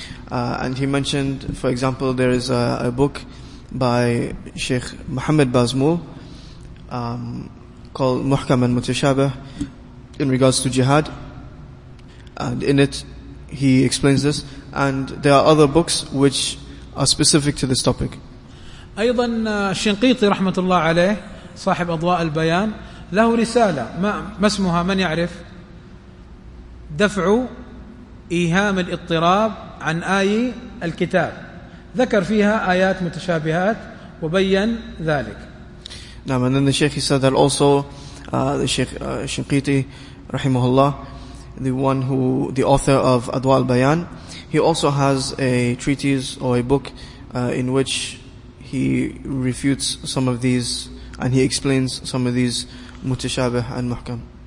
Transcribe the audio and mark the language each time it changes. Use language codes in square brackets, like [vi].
[en] And he mentioned, for example, there is a book by Sheikh Muhammad Bazmul called Muhkam and Mutashabih in regards to jihad, and in it he explains this, and there are other books which are specific to this topic. [ar] أيضا الشنقيطي رحمة الله عليه صاحب أضواء البيان له رسالة ما اسمها، من يعرف؟ دفع إيهام الاضطراب عن آي الكتاب، ذكر فيها آيات متشابهات وبين ذلك. نعم. [en] And then the Sheikh, he said that also the Sheikh Shinqiti rahimahullah, the one who, the author of Adwa al-Bayan, he also has a treatise or a book in which he refutes some of these and he explains some of these mutashabih and muhkam.